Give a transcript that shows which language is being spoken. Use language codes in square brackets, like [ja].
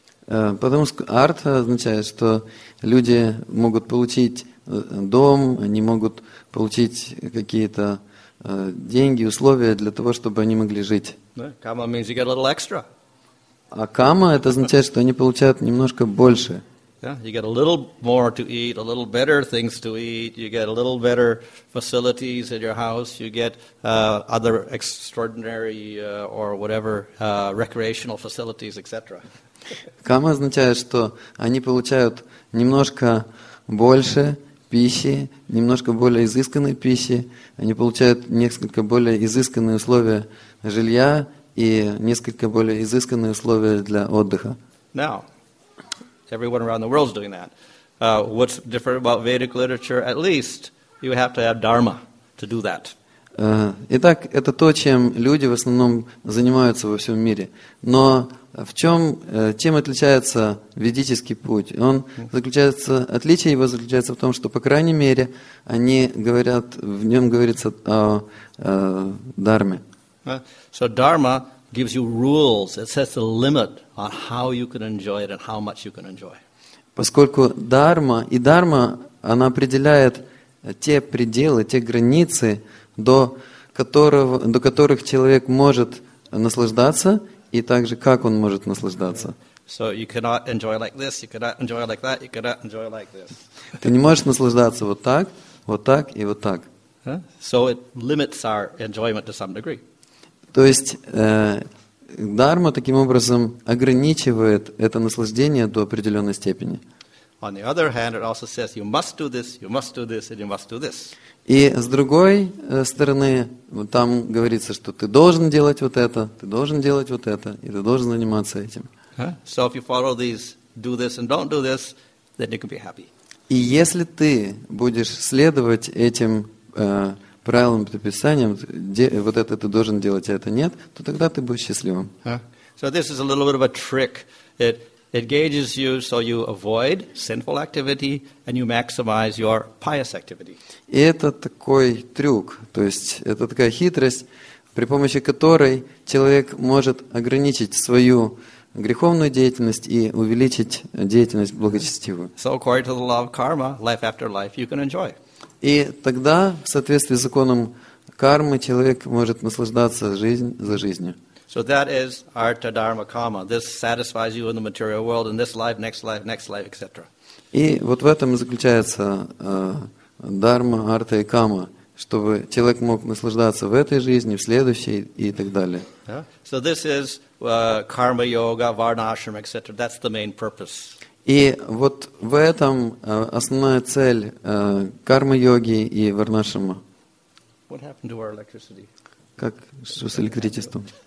[ru] Потому что артха означает, что люди могут получить дом, они могут получить какие-то деньги, условия для того, чтобы они могли жить. [en] Кама means you get a little extra. [ru] А кама это означает, что они получают немножко больше. [en] Yeah, you get a little more to eat, a little better things to eat, you get a little better facilities in your house, you get other extraordinary or whatever recreational facilities, etc. [ru] Кама означает, что они получают немножко больше пищи, немножко более изысканной пищи, они получают несколько более изысканные условия жилья и несколько более изысканные условия для отдыха. [en] Now, everyone around the world is doing that. What's different about Vedic literature? At least you have to have dharma to do that. [ru] Итак, это то, чем люди в основном занимаются во всем мире. Но в чем, чем отличается ведический путь? Он заключается, отличие его заключается в том, что, по крайней мере, они говорят, в нем говорится о дарме. [en] So dharma gives you rules. It sets a limit on how you can enjoy it and how much you can enjoy. [ru] Поскольку дарма, и дарма, она определяет те пределы, те границы, до которых человек может наслаждаться, и также как он может наслаждаться. [en] So you cannot enjoy like this, you cannot enjoy like that, you cannot enjoy like this. [ru] Ты не можешь наслаждаться вот так и вот так. [en] So it limits our enjoyment to some degree. [ru] То есть дхарма таким образом ограничивает это наслаждение до определенной степени. [en] On the other hand, it also says you must do this, you must do this, and you must do this. [ru] И с другой стороны, там говорится, что ты должен делать вот это, ты должен делать вот это, и ты должен заниматься этим. [en] So if you follow these, do this and don't do this, then you can be happy. [ru] И если ты будешь следовать этим правилам предписаниям, вот это ты должен делать, а это нет, то тогда ты будешь счастливым. [en] So this is a little bit of a trick. It engages you so you avoid sinful activity and you maximize your pious activity. [ru] И это такой трюк, то есть это такая хитрость, при помощи которой человек может ограничить свою греховную деятельность и увеличить деятельность благочестивую. [en] So according to the law of karma, life after life you can enjoy. [ru] И тогда, в соответствии с законом кармы, человек может наслаждаться жизнь за жизнью. [en] So that is artha dharma kama. This satisfies you in the material world, in this life, next life, next life, etc. [ru] И вот в этом и заключается дарма, артха и кама, чтобы человек мог наслаждаться в этой жизни, в следующей и так далее. [en] So this is karma yoga, varna ashram, etc. That's the main purpose. [ru] И вот в этом основная цель кармы йоги и варна ашрама. [en] What happened to our electricity? [ru] Как что с электричеством?